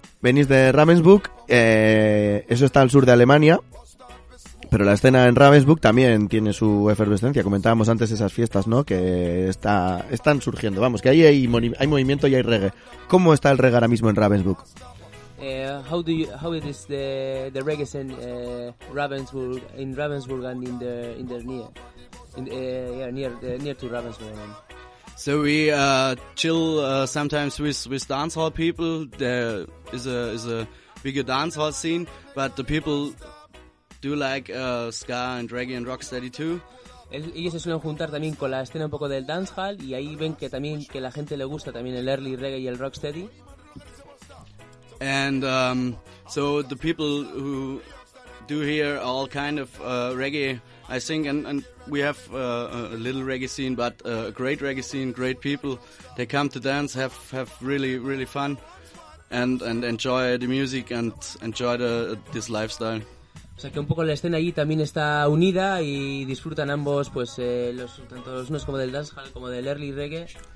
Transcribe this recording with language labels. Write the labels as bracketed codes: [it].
[es] Venís de Ravensbrück, eso está al sur de Alemania, pero la escena en Ravensbrück también tiene su efervescencia. Comentábamos antes esas fiestas, ¿no? Que están surgiendo. Vamos, que ahí hay movimiento y hay reggae. ¿Cómo está el reggae ahora mismo en Ravensbrück? [en] How it is the reggae in Ravensbrück, in Ravensbrück and in the near, in, yeah, near near to Ravensbrück. Man. So we chill sometimes with dancehall people. There is a bigger dancehall scene, but the people do like ska and reggae and rocksteady too. [es] Ellos se suelen juntar también con la escena un poco del dancehall y ahí ven que también que la gente le gusta también el early reggae y el rocksteady. [en] And so the people who do hear all kind of reggae, I think, and we have a little reggae scene, but a great reggae scene, great people. They come to dance, have really, really fun, and enjoy the music and enjoy this lifestyle. [es] O sea, que un poco la escena allí también está unida y disfrutan ambos, pues, los, tanto los unos como del dancehall, como del early reggae.